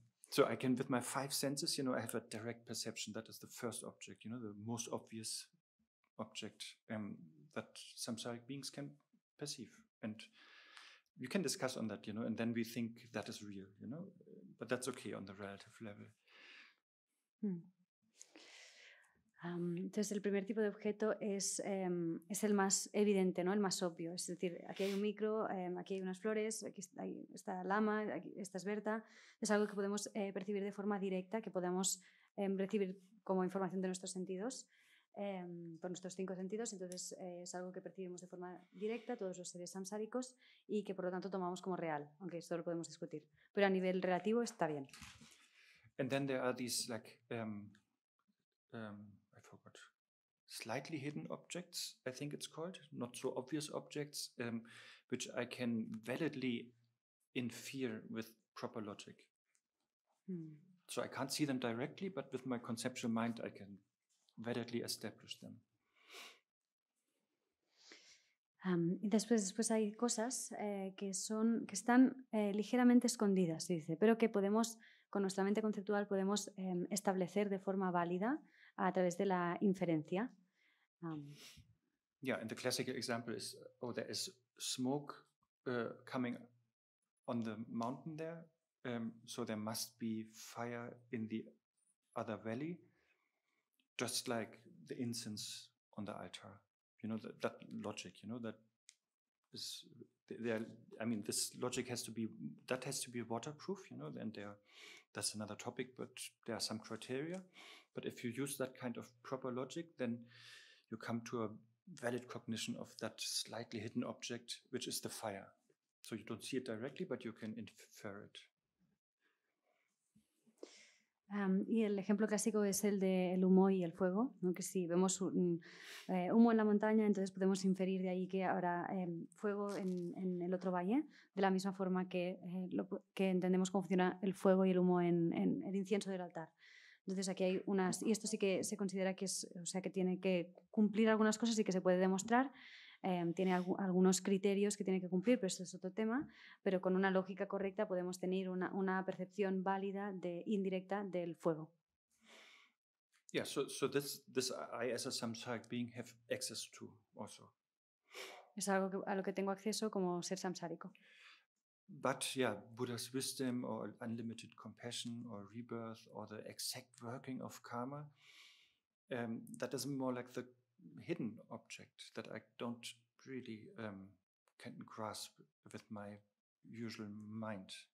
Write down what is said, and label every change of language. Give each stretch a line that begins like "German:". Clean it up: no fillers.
English: So I can, with my five senses, you know, I have a direct perception. That is the first object, you know, the most obvious object that samsaric beings can perceive. And you can discuss on that, you know, and then we think that is real, you know, but that's okay on the relative level.
Spanish: Entonces, el primer tipo de objeto es el más evidente, ¿no? El más obvio. Es decir, aquí hay un micro, aquí hay unas flores, aquí está lama, aquí, esta es Berta. Es algo que podemos percibir de forma directa, que podemos recibir como información de nuestros sentidos, por nuestros cinco sentidos. Entonces, es algo que percibimos de forma directa, todos los seres samsáricos, y que, por lo tanto, tomamos como real, aunque esto lo podemos discutir. Pero a nivel relativo está bien.
English: And then there are these, like, I forgot, slightly hidden objects, I think it's called, not so obvious objects, which I can validly infer with proper logic. So I can't see them directly, but with my conceptual mind, I can validly establish them.
Spanish: Y después hay cosas que están ligeramente escondidas, dice, pero que podemos, con nuestra mente conceptual, podemos establecer de forma válida a través de la inferencia.
English: Yeah, and the classical example is, oh, there is smoke coming on the mountain there, so there must be fire in the other valley, just like the incense on the altar. You know, that logic, you know, that is, I mean, this logic has to be, that has to be waterproof, you know, and there, that's another topic, but there are some criteria. But if you use that kind of proper logic, then you come to a valid cognition of that slightly hidden object, which is the fire. So you don't see it directly, but you can infer it.
Spanish: Y el ejemplo clásico es el del humo y el fuego, ¿no? Que si vemos humo en la montaña, entonces podemos inferir de ahí que habrá fuego en el otro valle, de la misma forma que entendemos cómo funciona el fuego y el humo en el incienso del altar. Entonces aquí hay unas, y esto sí que se considera que es, o sea, que tiene que cumplir algunas cosas y que se puede demostrar. Tiene algunos criterios que tiene que cumplir, pero eso es otro tema. Pero con una lógica correcta podemos tener una percepción válida de indirecta del fuego.
English: Yeah, so this I as a samsaric being have access to also.
Spanish: Es algo que, a lo que tengo acceso como ser samsárico.
English: But yeah, Buddha's wisdom or unlimited compassion or rebirth or the exact working of karma, that is more like the hidden object that I don't really can grasp with my usual mind.